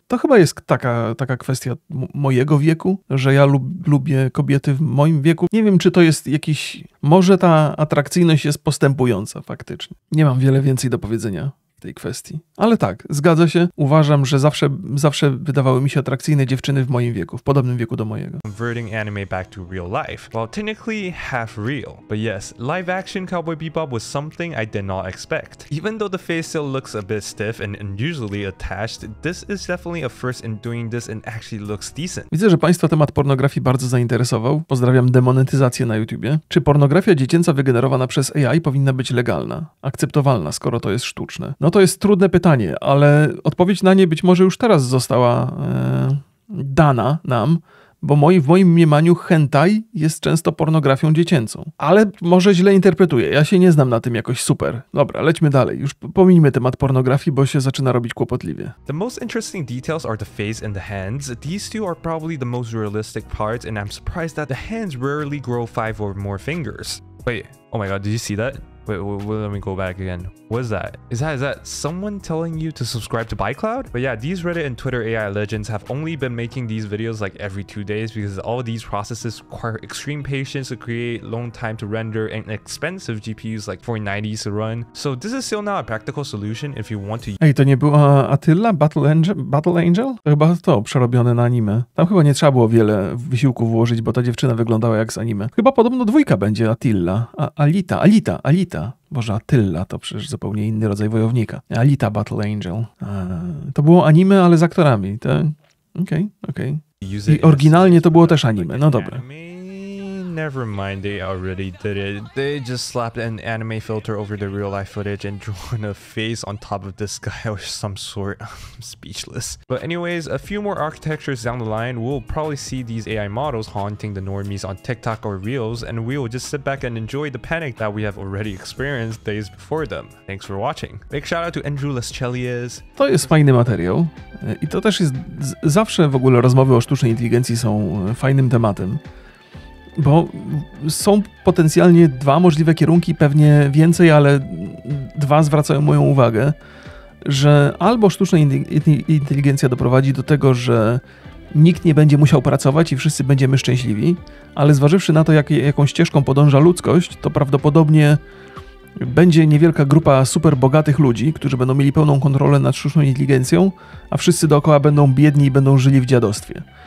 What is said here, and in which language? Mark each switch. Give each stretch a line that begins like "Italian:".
Polish: To chyba jest taka kwestia mojego wieku, że ja lubię kobiety w moim wieku. Nie wiem, czy to jest jakiś... Może ta atrakcyjność jest postępująca faktycznie. Nie mam wiele więcej do powiedzenia. tej kwestii. Ale tak, zgadza się. Uważam, że zawsze wydawały mi się atrakcyjne dziewczyny w moim wieku, w podobnym wieku do mojego.
English: Converting anime back to real life. Well, technically half real. But yes, live action Cowboy Bebop was something I did not expect. Even though the face still looks a bit stiff and unusually attached, this is definitely a first in doing this and actually looks decent.
Polish: Widzę, że państwa temat pornografii bardzo zainteresował. Pozdrawiam demonetyzację na YouTubie. Czy pornografia dziecięca wygenerowana przez AI powinna być legalna, akceptowalna, skoro to jest sztuczne? No to jest trudne pytanie, ale odpowiedź na nie być może już teraz została dana nam, bo w moim mniemaniu hentai jest często pornografią dziecięcą. Ale może źle interpretuję, ja się nie znam na tym jakoś super. Dobra, lećmy dalej, już pomińmy temat pornografii, bo się zaczyna robić kłopotliwie.
English: The most interesting details are the face and the hands. These two are probably the most realistic parts and I'm surprised that the hands rarely grow 5 or more fingers. Wait, oh my god, did you see that? Wait, let me go back again. What is that? Is that someone telling you to subscribe to ByCloud? But yeah, these Reddit and Twitter AI legends have only been making these videos like every 2 days because all of these processes require extreme patience to create, long time to render, and expensive GPUs like 490s to run. So this is still not a practical solution if you want to.
Polish: Ej, to nie była Attila Battle Angel? To chyba to przerobione na anime. Tam chyba nie trzeba było wiele wysiłku włożyć, bo ta dziewczyna wyglądała jak z anime. Chyba podobno dwójka będzie Attila. Alita. Boże, Attila to przecież zupełnie inny rodzaj wojownika. Alita Battle Angel. To było anime, ale z aktorami. Okej. I oryginalnie to było też anime. No dobra.
English: Never mind, they already did it. They just slapped an anime filter over the real life footage and drawn a face on top of this guy or some sort. I'm speechless. But anyways, a few more architectures down the line, we'll probably see these AI models haunting the normies on TikTok or Reels, and we will just sit back and enjoy the panic that we have already experienced days before them. Thanks for watching. Big shout out to Andrew Leschelius.
Polish: To jest fajny materiał. I to też jest zawsze w ogóle rozmowy o sztucznej inteligencji są fajnym tematem. Bo są potencjalnie dwa możliwe kierunki, pewnie więcej, ale dwa zwracają moją uwagę, że albo sztuczna inteligencja doprowadzi do tego, że nikt nie będzie musiał pracować i wszyscy będziemy szczęśliwi, ale zważywszy na to, jaką ścieżką podąża ludzkość, to prawdopodobnie będzie niewielka grupa super bogatych ludzi, którzy będą mieli pełną kontrolę nad sztuczną inteligencją, a wszyscy dookoła będą biedni i będą żyli w dziadostwie.